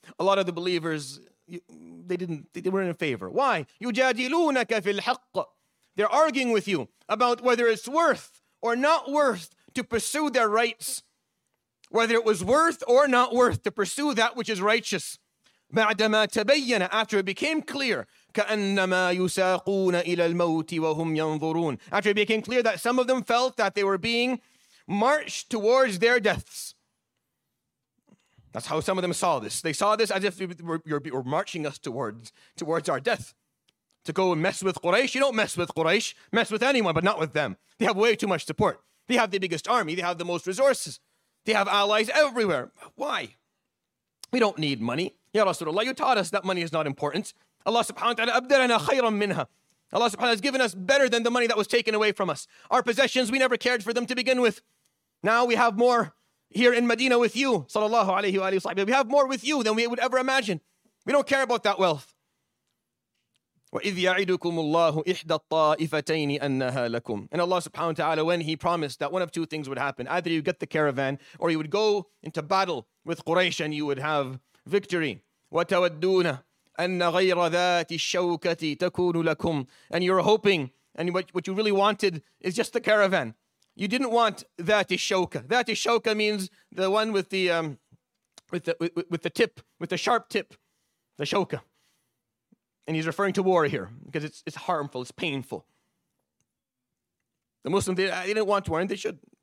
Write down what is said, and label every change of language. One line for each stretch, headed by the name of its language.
English: A lot of the believers, they weren't in favor. Why?
Arabic: يُجَادِلُونَكَ فِي الْحَقِّ.
English: They're arguing with you about whether it's worth or not worth to pursue their rights. Whether it was worth or not worth to pursue that which is righteous.
Arabic: بَعْدَمَا تَبَيَّنَ.
English: After it became clear,
Arabic: كَأَنَّمَا يُسَاقُونَ إِلَى الْمَوْتِ وَهُمْ يَنْظُرُونَ.
English: After it became clear that some of them felt that they were being marched towards their deaths. That's how some of them saw this. They saw this as if you were marching us towards our death. To go and mess with Quraysh, you don't mess with Quraysh. Mess with anyone, but not with them. They have way too much support. They have the biggest army. They have the most resources. They have allies everywhere. Why? We don't need money. Ya Rasulullah, you taught us that money is not important.
Arabic: Allah subhanahu wa ta'ala abdalana khayran minha.
English: Allah subhanahu wa ta'ala has given us better than the money that was taken away from us. Our possessions, we never cared for them to begin with. Now we have more here in Medina with you, sallallahu alayhi wa sallam. We have more with you than we would ever imagine. We don't care about that wealth.
Arabic: وَإِذْ يَعِدُكُمُ اللَّهُ إِحْدَى الطَّائِفَتَيْنِ أَنَّهَا لَكُمْ.
English: And Allah subhanahu wa ta'ala, when he promised that one of two things would happen, either you get the caravan or you would go into battle with Quraysh and you would have victory.
Arabic: وَتَوَدُّونَ أَنَّ غَيْرَ ذَاتِ الشَّوْكَةِ تَكُونُ لَكُمْ.
English: And you're hoping and what you really wanted is just the caravan. You didn't want that ishoka. That ishoka means the one with the with the sharp tip, the shoka. And he's referring to war here because it's harmful, it's painful. The Muslims, they didn't want war, and they should.